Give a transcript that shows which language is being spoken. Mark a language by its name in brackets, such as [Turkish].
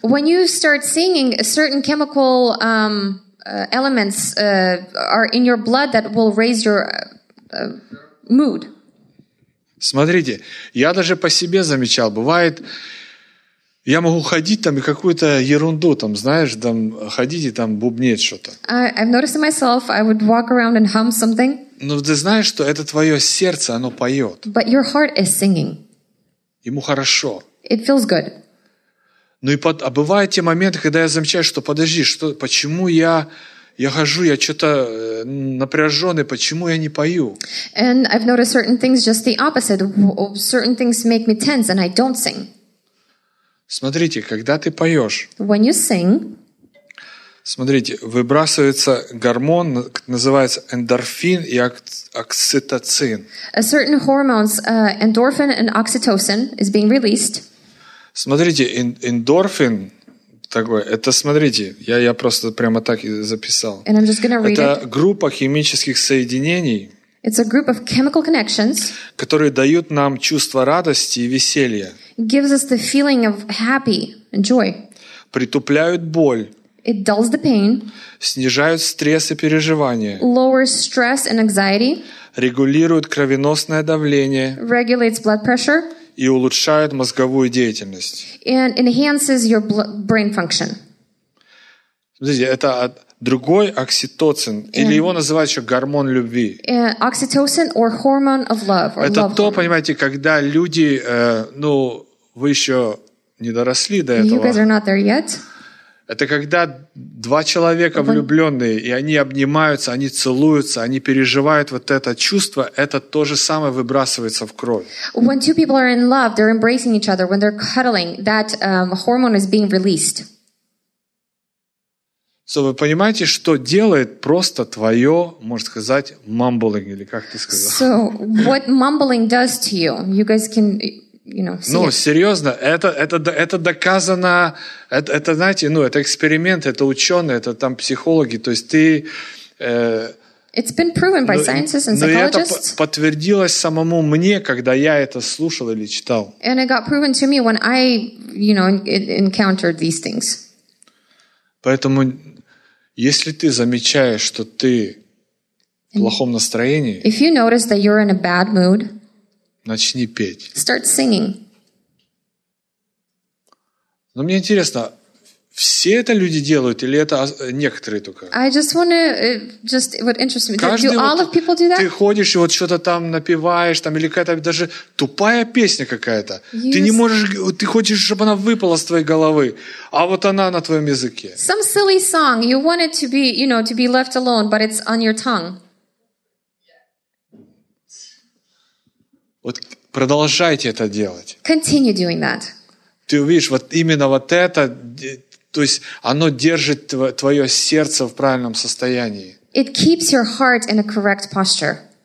[English] When you start singing, certain chemical elements are in your blood that will raise your mood. [Russian] Смотрите, я даже по себе замечал, бывает, я могу ходить там и какую-то ерунду там, знаешь, там ходить и там бубнеть что-то. [English] I've noticed it myself, I would walk around and hum something. [Russian] Но ты знаешь, что это твое сердце, оно поет. [English] But your heart is singing. [Russian] Ему хорошо. [English] It feels good. [Russian] Ну и а бывают те моменты, когда я замечаю, что подожди, что, почему я хожу, я что-то напряженный, почему я не пою? [English] And I've noticed certain things just the opposite. Certain things make me tense and I don't sing. [Russian] Смотрите, когда ты поешь, [English] when you sing, [Russian] смотрите, выбрасывается гормон, называется эндорфин и окситоцин. [English] A certain hormones, endorphin and oxytocin, is being released. [Russian] Смотрите, эндорфин такой, это смотрите, я просто прямо так и записал. [English] And I'm just gonna read [Russian] это [English] it. [Russian] Группа химических соединений, [English] it's a group of chemical connections, [Russian] которые дают нам чувство радости и веселья. [English] Gives us the feeling of happy and joy. [Russian] Притупляют боль. [English] It dulls the pain. [Russian] Снижают стресс и переживания. [English] Lowers stress and anxiety. [Russian] Регулируют кровеносное давление. [English] Regulates blood pressure. [Russian] И улучшает мозговую деятельность. [English] And enhances your brain function. [Russian] Смотрите, это другой окситоцин, and, или его называют еще гормон любви. [English] Oxytocin or hormone of love. Or [Russian] это [English] love [Russian] то, понимаете, когда люди, ну, вы еще не доросли до этого. [English] You guys are not there yet. [Russian] Это когда два человека влюбленные, и они обнимаются, они целуются, они переживают вот это чувство, это то же самое выбрасывается в кровь. [English] When two people are in love, they're embracing each other, when they're cuddling, that hormone is being released. [Russian] So, вы понимаете, что делает просто твое, можно сказать, mumbling, или как ты сказал? [English] So, what mumbling does to you, you guys can... You know, [Russian] ну, серьезно, это доказано, это знаете, ну, это эксперимент, это ученые, это там психологи, то есть ты... [English] It's been proven by scientists and psychologists. [Russian] Но это подтвердилось самому мне, когда я это слушал или читал. [English] And it got proven to me when I, you know, encountered these things. [Russian] Поэтому, если ты замечаешь, что ты в плохом настроении... [English] If you notice that you're in a bad mood... [Russian] Начни петь. [English] Start singing. [Russian] Но мне интересно, все это люди делают или это некоторые только? [English] I just want to just what interests me. Do all of people do that? [Russian] Ты ходишь и вот что-то там напеваешь, там или какая-то даже тупая песня какая-то. Ты не можешь, ты хочешь, чтобы она выпала с твоей головы, а вот она на твоем языке. [English] Some silly song. You want it to be, you know, to be left alone, but it's on your tongue. [Russian] Вот продолжайте это делать. [English] Continue doing that. [Russian] Ты увидишь, вот именно вот это, то есть оно держит твое сердце в правильном состоянии. [English] It keeps your heart in a correct posture.